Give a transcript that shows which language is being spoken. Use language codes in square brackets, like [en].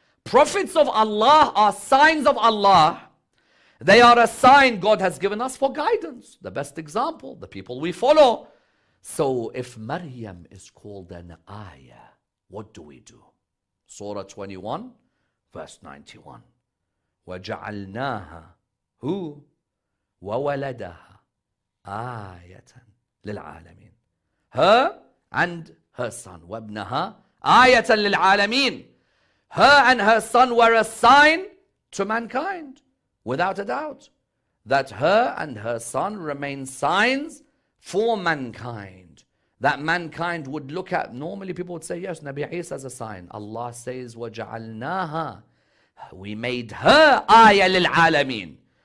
[en] Prophets of Allah are signs of Allah. They are a sign God has given us for guidance. The best example, the people we follow. So if Maryam is called an ayah, what do we do? Surah 21, verse 91. [ar] وَجَعَلْنَاهَا هُو وَوَلَدَهَا آيَةً لِلْعَالَمِينَ. [en] Her and her son, [ar] وَابْنَهَا آيَةً لِلْعَالَمِينَ. [en] Her and her son were a sign to mankind, without a doubt, that her and her son remain signs for mankind, that mankind would look at. Normally people would say, yes, Nabi Isa is a sign. Allah says, [ar] وَجَعَلْنَاهَا, [en] we made her [ar] آيَةً لِلْعَالَمِينَ.